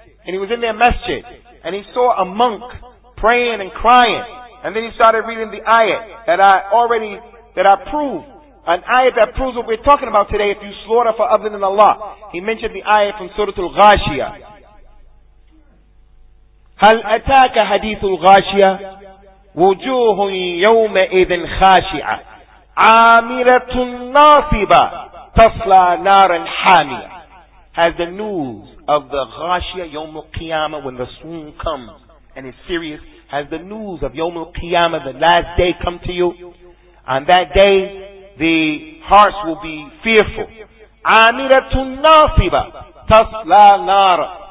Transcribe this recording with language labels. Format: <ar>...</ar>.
<en>And he was in their masjid. And he saw a monk praying and crying. And then he started reading the ayah that I proved. An ayah that proves what we're talking about today, if you slaughter for other than Allah. He mentioned the ayah from Surah Al-Ghashiyah.</en> <ar>هل أتاك حديث الغاشية وجوه يومئذ خاشعة عاملة ناصبة تصلى نارا حامية.</ar> <en>Has the news of the</en> <ar>غاشية يوم القيامة,</ar> <en>when the swoon comes and it's serious, has the news of</en> <ar>يوم القيامة,</ar> <en>the last day, come to you? On that day the hearts will be fearful.</en> <ar>عاملة ناصبة تصلى نارا.</ar>